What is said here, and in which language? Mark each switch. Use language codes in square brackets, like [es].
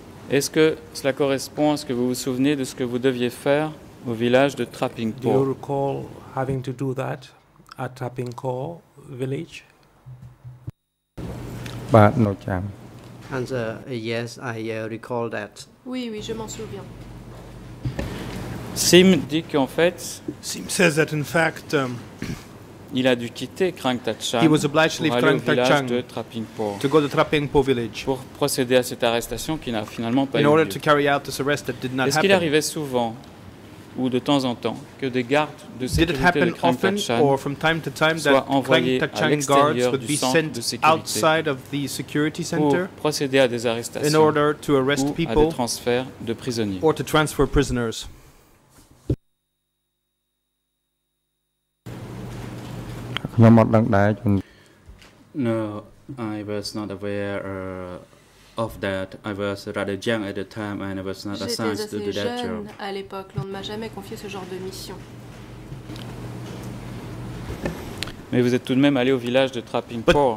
[fr] Est-ce que cela correspond à ce que vous vous souvenez de ce que vous deviez faire au village de Trapping Por? [en] Do you recall having to do that at Trapping Por village? But no, Jan. Answer, yes, I recall that. [fr] Oui, oui, je m'en souviens. Sim dit qu'en fait, [en] Sim says that in fact, [fr] il a dû quitter Krang Tachan. [en] He was obliged to leave Krang Tachan to go to Trapping Por village. [fr] Pour procéder à cette arrestation qui n'a finalement pas [en] in [fr] eu lieu. [en] In order to carry out this arrest that did not happen. [fr] Est-ce qu'il arrivait souvent ou de temps en temps que des gardes de sécurité de Krang Tachan soient envoyés [en] from time to time that Krang Tachan guards would be sent outside of the security center [fr] pour procéder à des arrestations [en] in order to arrest people [fr] ou à des transferts de prisonniers [en] or to transfer prisoners. No, I was not aware of that. I was rather young at the time and I was not assigned to do that job. [fr] À l'époque, on ne m'a jamais confié ce genre de mission. Mais vous êtes tout de même allé au village de Trapping Por.